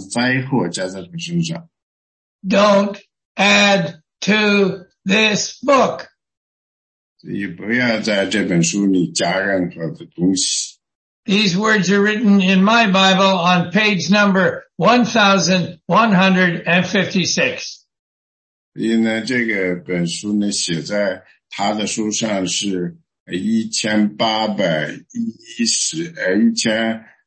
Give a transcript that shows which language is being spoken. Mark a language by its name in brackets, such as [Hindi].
[Chinese] 就是说我向一些听见这书上预言的做见证，如果有人在这预言上添什么，神必加写在这书上的灾祸加在他身上。 [English] Don't add to this book. [Chinese] 你不要在这本书里加任何的东西。 [English] These words are written in my Bible on page number 1156. [Chinese] 这个本书呢写在他的书上是 1816.